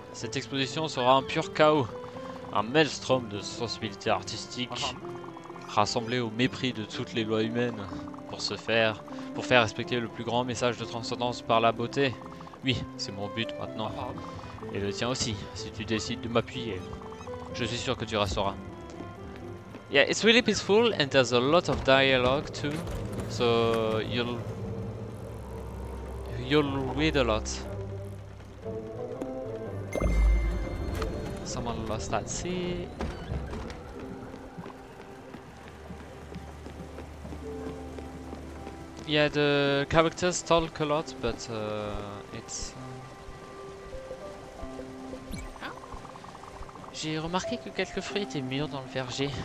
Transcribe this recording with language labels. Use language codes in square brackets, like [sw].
[fr] Cette exposition sera un pur chaos, un maelstrom de sensibilité artistique, rassemblé au mépris de toutes les lois humaines, pour faire respecter le plus grand message de transcendance par la beauté. Oui, c'est mon but maintenant. Et le tien aussi, si tu décides de m'appuyer. Je suis sûr que tu resteras. [en] Yeah, it's really peaceful and there's a lot of dialogue too. So you'll read a lot. Someone lost that seat. Yeah, the characters talk a lot, but it's... [fr] J'ai remarqué que quelques fruits étaient mûrs dans le verger.